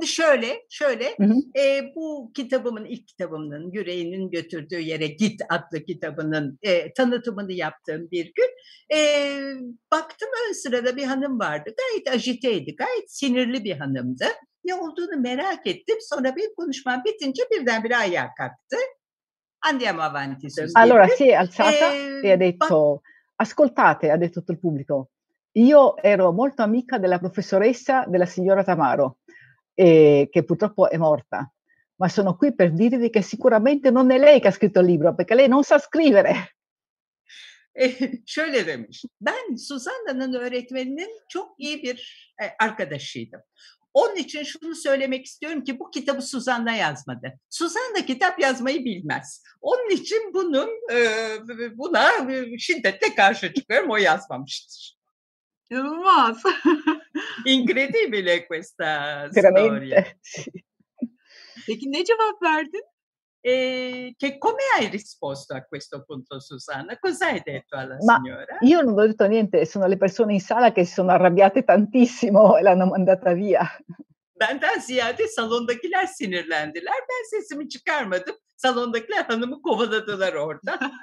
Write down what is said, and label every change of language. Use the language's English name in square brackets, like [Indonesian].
[Turkish] Şimdi şöyle, bu kitabımın, ilk kitabımın, Yüreğinin Götürdüğü Yere Git adlı kitabının tanıtımını yaptığım bir gün, baktım ön sırada bir hanım vardı, gayet ajiteydi, gayet sinirli bir hanımdı. Ne olduğunu merak ettim, sonra bir konuşma bitince birdenbire ayağa kalktı. [Italian] Andiamo avanti. Allora, si è alzata e ha detto, ascoltate, ha detto tutto il pubblico, io ero molto amica della professoressa, della signora Tamaro. Che purtroppo è morta, ma sono qui per dirvi che sicuramente non è lei che ha scritto il libro, perché lei non sa scrivere. [Turkish] Şöyle demiş, ben Susanna'nın öğretmeninin çok iyi bir arkadaşıydım. Onun için şunu söylemek istiyorum ki bu kitabı Susanna yazmadı. Susanna kitap yazmayı bilmez. Onun için buna şiddetle karşı çıkıyorum, o yazmamıştır. İnanılmaz. [Italian] Incredibile questa storia. [Turkish] Peki ne cevap verdin? [Italian] Che come hai risposto a questo punto, Susanna? Cosa hai detto alla Ma signora? Io non ho detto niente, sono le persone in sala che si sono arrabbiate tantissimo e l'hanno mandata via. [Turkish] Benden ziyade salondakiler sinirlendiler. Ben sesimi çıkarmadım. Salondakiler hanımı kovaladılar orada.